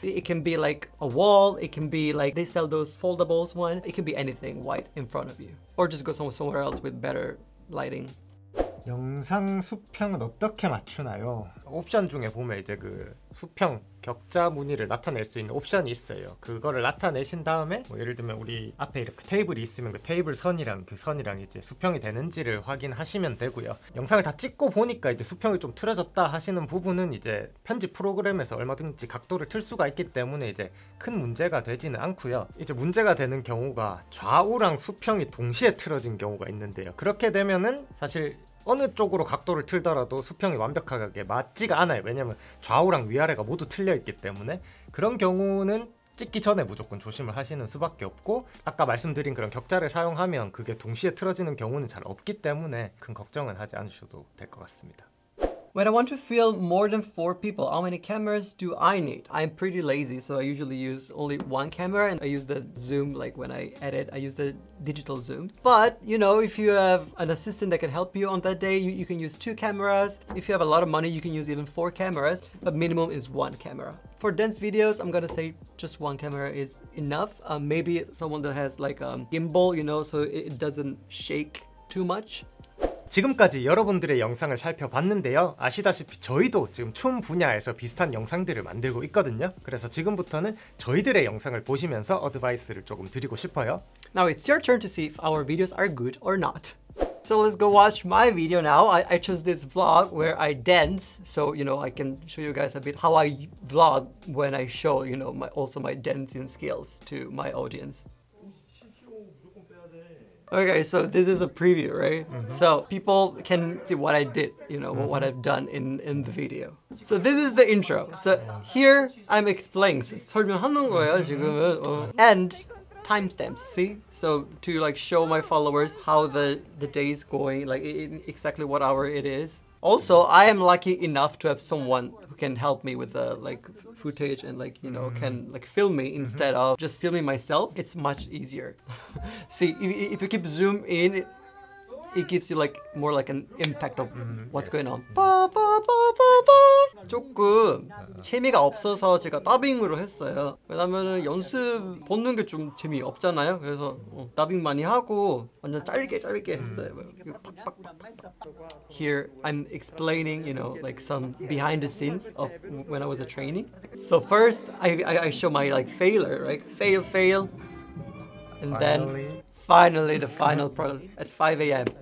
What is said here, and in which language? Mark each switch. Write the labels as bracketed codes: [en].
[en] It can be like a wall, it can be like they sell those foldables one. It can be anything white in front of you. Or just go somewhere else with better lighting. [ko] 영상 수평은 어떻게 맞추나요? 옵션 중에 보면 이제 그 수평 격자 무늬를 나타낼 수 있는 옵션이 있어요. 그거를 나타내신 다음에 뭐 예를 들면 우리 앞에 이렇게 테이블이 있으면 그 테이블 선이랑 그 선이랑 이제 수평이 되는지를 확인하시면 되고요. 영상을 다 찍고 보니까 이제 수평이 좀 틀어졌다 하시는 부분은 이제 편집 프로그램에서 얼마든지 각도를 틀 수가 있기 때문에 이제 큰 문제가 되지는 않고요. 이제 문제가 되는 경우가 좌우랑 수평이 동시에 틀어진 경우가 있는데요. 그렇게 되면은 사실 어느 쪽으로 각도를 틀더라도 수평이 완벽하게 맞지가 않아요. 왜냐면 좌우랑 위아래가 모두 틀려있기 때문에, 그런 경우는 찍기 전에 무조건 조심을 하시는 수밖에 없고, 아까 말씀드린 그런 격자를 사용하면 그게 동시에 틀어지는 경우는 잘 없기 때문에 큰 걱정은 하지 않으셔도 될 것 같습니다. [en] When I want to film more than four people, how many cameras do I need? I'm pretty lazy, so I usually use only one camera and I use the zoom, like when I edit, I use the digital zoom. But, you know, if you have an assistant that can help you on that day, you can use two cameras. If you have a lot of money, you can use even four cameras, but minimum is one camera. For dance videos, I'm gonna say just one camera is enough. Maybe someone that has like a gimbal, you know, so it doesn't shake too much. [ko] 지금까지 여러분들의 영상을 살펴봤는데요. 아시다시피 저희도 지금 춤 분야에서 비슷한 영상들을 만들고 있거든요. 그래서 지금부터는 저희들의 영상을 보시면서 어드바이스를 조금 드리고 싶어요. [en] Now it's your turn to see if our videos are good or not. So let's go watch my video now. I chose this vlog where I dance. So, you know, I can show you guys a bit how I vlog when I show, you know, my dancing skills to my audience. Okay, so this is a preview, right? Mm-hmm. So people can see what I did, you know, mm-hmm. what I've done in the video. So this is the intro. So here I'm explaining. And timestamps, see? So to like show my followers how the day is going, like exactly what hour it is. Also, I am lucky enough to have someone who can help me with the like footage and like, you know, mm-hmm. can like film me instead mm-hmm. of just filming myself. It's much easier. See, if you keep zoom in, it gives you like more like an impact of mm-hmm. what's yes. going on. Mm-hmm. Ba, ba, ba, ba, ba. [ko] 조금 재미가 없어서 제가 더빙으로 했어요. 왜냐면은 연습 보는 게 좀 재미 없잖아요. 그래서 더빙 많이 하고 완전 짧게 했어요. [en] Here I'm explaining, you know, like some behind the scenes of when I was a trainee. So first I show my like failure, right? Fail. And finally. Then finally the final product at 5 a.m.